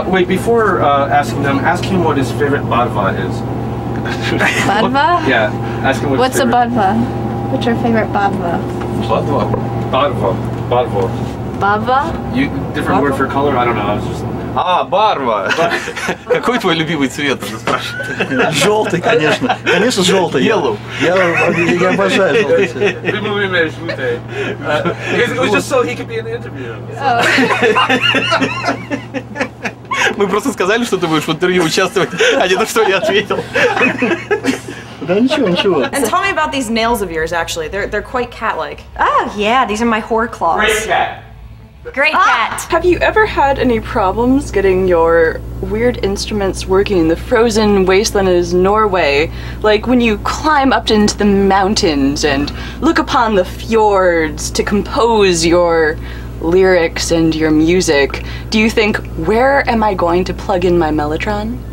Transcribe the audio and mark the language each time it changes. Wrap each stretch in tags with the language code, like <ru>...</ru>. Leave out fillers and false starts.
<en>Wait, before asking them, ask him what his favorite badva is. Badva? Yeah. Ask him what what's his favorite. What's a badva? What's your favorite badva? Badva. Badva? You different badva? Word for color? I don't know. I was just...</en> <ru>А, барва! Какой твой любимый цвет, он спрашивает? Желтый, конечно. Конечно, желтый.</ru> <en>Yellow.</en> <ru>Я обожаю желтый цвет. Прямо время шутей.</ru> <en>It was just so he could be in the interview.</en> <ru>Мы просто сказали, что ты будешь в интервью участвовать, а не то, что я ответил. Да ничего, ничего.</ru> <en>And tell me about these nails of yours, actually. They're quite cat-like. Oh, yeah, these are my whore claws. Great cat. Great cat! Have you ever had any problems getting your weird instruments working in the frozen wasteland of Norway? Like when you climb up into the mountains and look upon the fjords to compose your lyrics and your music, do you think, where am I going to plug in my mellotron?</en>